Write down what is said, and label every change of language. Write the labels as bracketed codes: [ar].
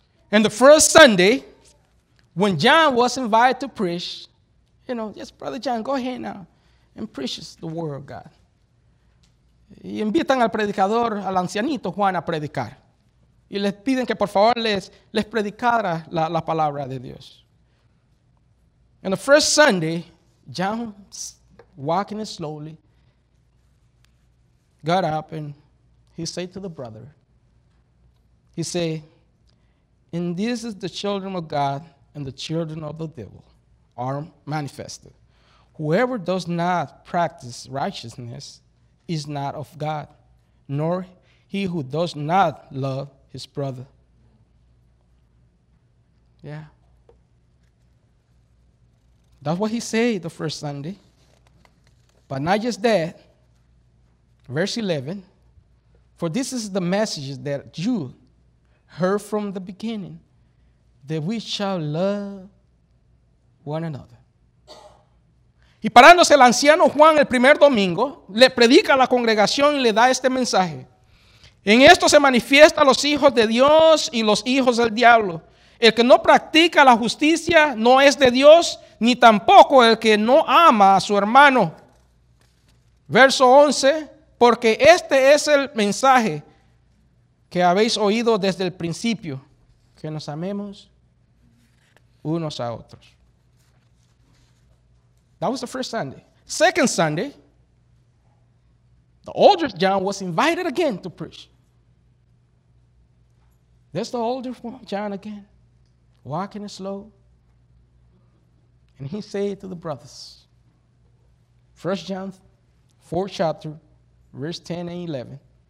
[en] And the first Sunday, when John was invited to preach, you know, yes, Brother John, go ahead now and preach the word of God. [es] Y invitan al predicador, al ancianito Juan, a predicar. Y les piden que por favor les predicara la palabra de Dios. [en] And the first Sunday, John, walking slowly, got up and he said to the brother, he said, "And this is the children of God and the children of the devil are manifested. Whoever does not practice righteousness is not of God, nor he who does not love his brother." Yeah. That's what he said the first Sunday. But not just that. Verse 11. "For this is the message that you heard from the beginning, that we shall love one another." [es] Y parándose el anciano Juan el primer domingo, le predica a la congregación y le da este mensaje. "En esto se manifiesta los hijos de Dios y los hijos del diablo. El que no practica la justicia no es de Dios, ni tampoco el que no ama a su hermano." Verso 11, "Porque este es el mensaje que habéis oído desde el principio, que nos amemos unos a otros." [en] That was the first Sunday. Second Sunday, the older John was invited again to preach. There's the older John again, walking slow. And he said to the brothers, 1 John 4 chapter, verse 10 and 11.